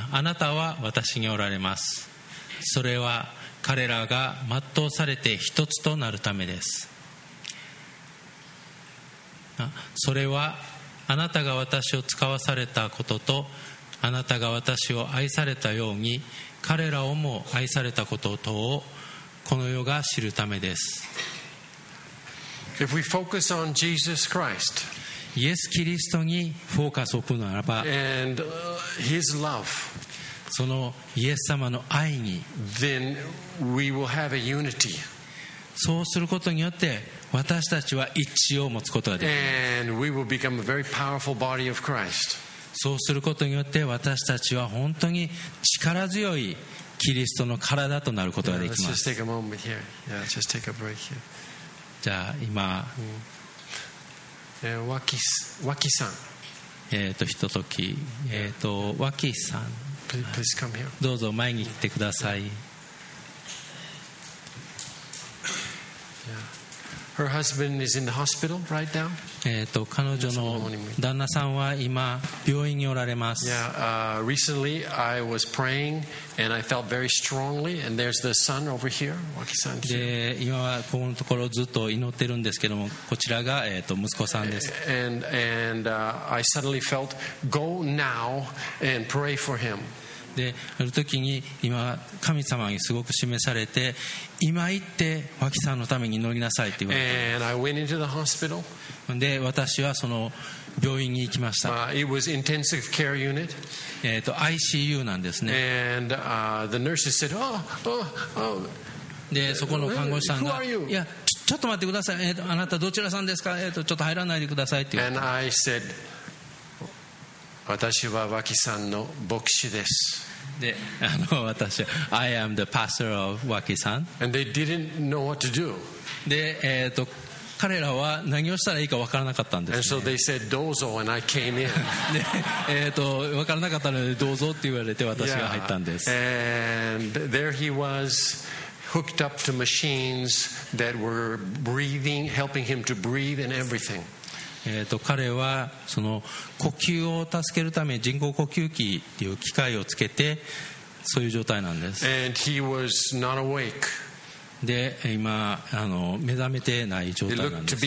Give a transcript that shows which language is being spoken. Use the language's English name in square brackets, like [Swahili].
[Japanese] あなたは私におられます。それは彼らが全うされて一つとなるためです。それはあなたが私を使わされたことと、あなたが私を愛されたように彼らをも愛されたこととを、この世が知るためです。 [English] If we focus on Jesus Christ, [Japanese] イエス・キリストにフォーカスを置くならば、 [English] and his love, [Japanese] そのイエス様の愛に、 [English] then we will have a unity. [Japanese] そうすることによって私たちは一致を持つことができます。 [English] And we will become a very powerful body of Christ. [Japanese] そうすることによって私たちは本当に力強いキリストの体となることができます。 [English] Yeah, let's just take a moment here. Yeah, just take a break here. [Japanese] じゃあ今、脇さん、ひととき、脇さん、 [English] please come here. [Japanese] どうぞ前に来てください。 [English] Her husband is in the hospital right now. [Japanese] 彼女の旦那さんは今病院におられます。 [English] Yeah, recently I was praying and I felt very strongly, and there's the son over here, Waki-san. [Japanese] 今はこのところずっと祈ってるんですけども、こちらが息子さんです。 [English] And I suddenly felt, go now and pray for him. [Japanese] である時に今神様にすごく示されて、今行って脇さんのために祈りなさいって言われて、 [English] And I went into the hospital. [Japanese] で私はその病院に行きました。 [English] It was intensive care unit. [Japanese] ICU なんですね。 [English] And the nurses said, oh, oh, oh. [Japanese] でそこの看護師さんが、 [English] Who are you? [Japanese] いや、ちょっと待ってください、あなたどちらさんですか、ちょっと入らないでくださいって言われて、 [English] And I said, [Japanese] 私は脇さんの牧師です。で、私は [English] I am the pastor of [Japanese] 脇さん。 [English] And they didn't know what to do. [Japanese] で、彼らは何をしたらいいか分からなかったんです、ね。 [English] And so they said, [Japanese] どうぞ [English] and I came in. [Japanese] で、分からなかったのでどうぞって言われて私が入ったんです。 [English] Yeah. And there he was. Hooked up to machines that were breathing, helping him to breathe and everything. [Japanese] 彼はその呼吸を助けるため人工呼吸器という機械をつけて、そういう状態なんです。 [English] And he was not awake. [Japanese] で、今目覚めてない状態なんです。